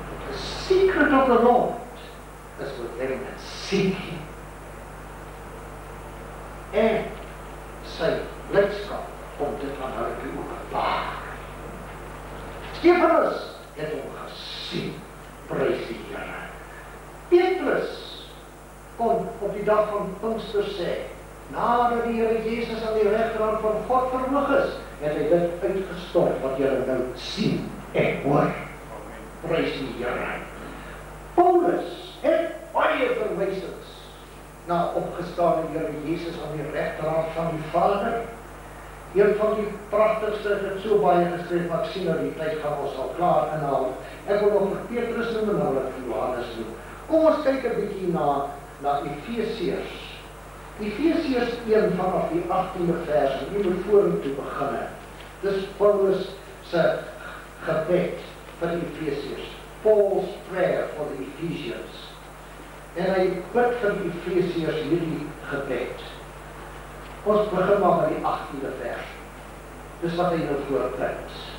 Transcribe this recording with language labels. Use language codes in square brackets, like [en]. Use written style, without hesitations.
[en] The secret of the Lord is with them that seek him. [af] En sy blydskap om dit aan hulle te openbaar. Stefanus het hom gesien, prys die Here. Petrus kon op die dag van Pinkster sê, nadat die Here Jesus aan die regterhand van God verhoog is, het hy dit uitgestort wat julle nou sien en hoor. Prys die Here. Paulus het baie verwysings na opgestaande Here Jesus aan die regterhand van die Vader. Een van die prachtigste het so baie gesê, maar ek sien dat die tyd gaan ons al klaar inhaal. Ek wil nog vir Petrus noem en hulle vir Johannes noem. Kom ons kyk een bietjie na Efesiërs. Efesiërs 1 vanaf die 18e vers, en die moet voor hem toe beginne. Dis Paulus se gebed vir Efesiërs. [en] Paul's prayer for the Ephesians. [af] En hy bid vir Efesiërs hierdie gebed. Ons begin maar met die 18e vers. Dis wat hy nou voorbid.